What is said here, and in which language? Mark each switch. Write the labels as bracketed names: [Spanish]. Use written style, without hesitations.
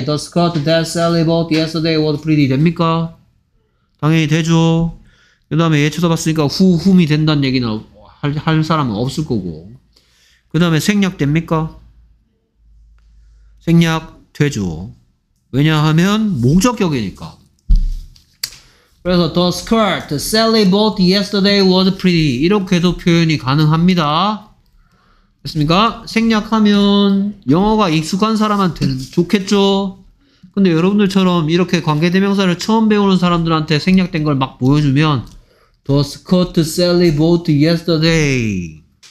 [English] The skirt that Sally bought yesterday was pretty. [Korean] 됩니까? 당연히 되죠. 그 다음에 얘 쳐다봤으니까 후, 훔이 된다는 얘기는 할 사람은 없을 거고. 그 다음에 생략 됩니까? 생략 되죠. 왜냐하면 목적격이니까. [English] 그래서 The skirt Sally bought yesterday was pretty. [Korean] 이렇게도 표현이 가능합니다. 됐습니까? 생략하면 영어가 익숙한 사람한테는 좋겠죠. 근데 여러분들처럼 이렇게 관계대명사를 처음 배우는 사람들한테 생략된 걸 막 보여주면 [English] The Scott Sally boat yesterday.